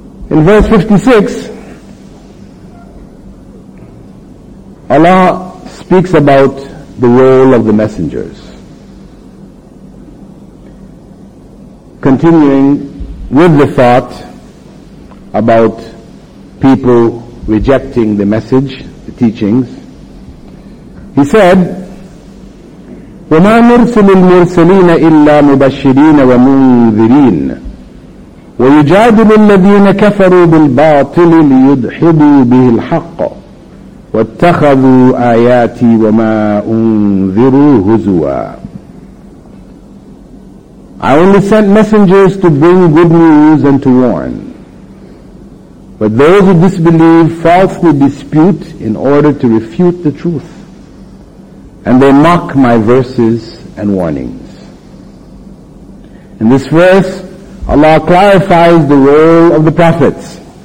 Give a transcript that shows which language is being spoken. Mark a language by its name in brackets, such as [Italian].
[English] In verse 56, Allah speaks about the role of the messengers, continuing with the thought about people rejecting the message, the teachings. [Arabic] He said, وَمَا نُرْسِلُ الْمُرْسَلِينَ إِلَّا مُبَشِّرِينَ وَمُنذِرِينَ وَيُجَادِلُ الَّذِينَ كَفَرُوا بِالْبَاطِلِ لِيُدْحِضُوا بِهِ الْحَقَّ وَاتَّخَذُوا آيَاتِي وَمَا أُنذِرُوا هُزُوًا. [English] I only sent messengers to bring good news and to warn. But those who disbelieve falsely dispute in order to refute the truth, and they mock my verses and warnings. In this verse, Allah clarifies the role of the prophets.